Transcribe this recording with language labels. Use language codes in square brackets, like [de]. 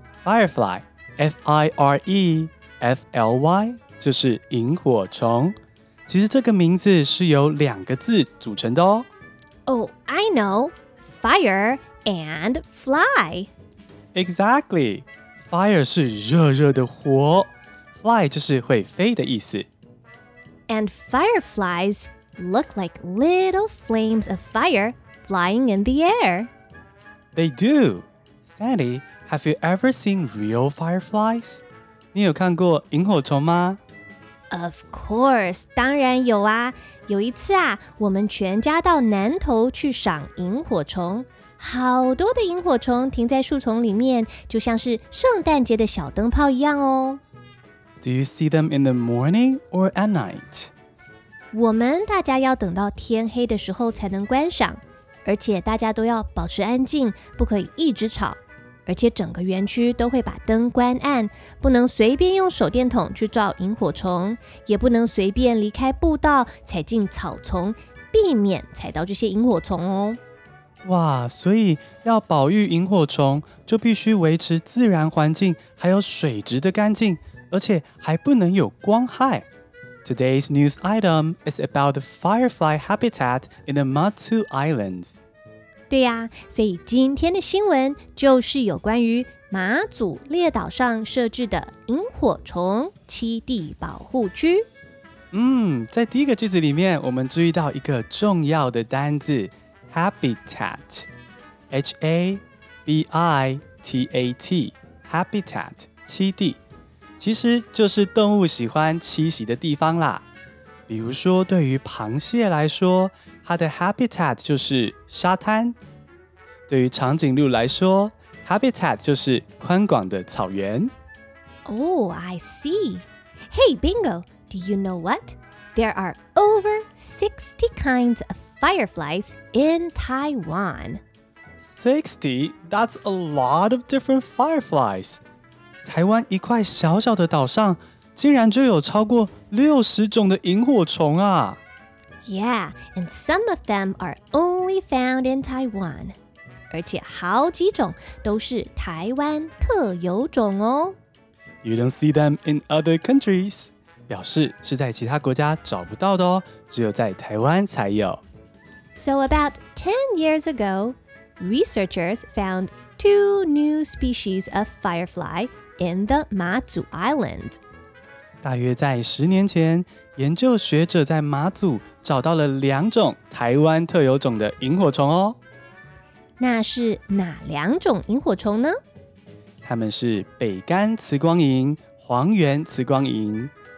[zh] Firefly, F-I-R-E-F-L-Y, 就是萤火虫。其实这个名字是由两个字组成的哦。 [en] Oh, I know. Fire and fly. Exactly. [zh] Fire 是热热的火。 Fly 就是会飞的意思。 [en] And fireflies look like little flames of fire flying in the air. They do. Sandy, have you ever seen real fireflies? [zh] 你有看过萤火虫吗？ [en] Of course, [zh] 当然有啊。有一次啊，我们全家到南投去赏萤火虫。好多的萤火虫停在树丛里面，就像是圣诞节的小灯泡一样哦。 [en] Do you see them in the morning or at night? [zh] 我们大家要等到天黑的时候才能观赏，而且大家都要保持安静，不可以一直吵，而且整个园区都会把灯关暗，不能随便用手电筒去照萤火虫，也不能随便离开步道踩进草丛，避免踩到这些萤火虫哦。哇，所以要保育萤火虫，就必须维持自然环境还有水质的干净。而且还不能有光害。 [en] Today's news item is about the firefly habitat in the Mutsu Islands. [zh] 对呀，所以今天的新闻就是有关于马祖列岛上设置的萤火虫栖地保护区。嗯，在第一个句子里面，我们注意到一个重要的单字 habitat, H-A-B-I-T-A-T, habitat, 栖地。其实就是动物喜欢栖息的地方啦。比如说对于螃蟹来说，它的 habitat 就是沙滩。对于长颈鹿来说， habitat 就是宽广的草原。 [en] Oh, I see. Hey, Bingo, do you know what? There are over 60 kinds of fireflies in Taiwan. 60? That's a lot of different fireflies. [zh] 台湾一块小小的岛上竟然就有超过60种的萤火虫啊。 [en] Yeah, and some of them are only found in Taiwan. [zh] 而且好几种都是台湾特有种哦。 [en] You don't see them in other countries. [zh] 表示是在其他国家找不到的哦，只有在台湾才有。 [en] So about 10 years ago, researchers found two new species of firefly in the Mazu Islands. [zh] 大约在十年前，研究学者在马祖找到了两种台湾特有种的萤火虫哦。那是哪两种萤火虫呢？它们是北干磁光萤、黄缘磁光萤。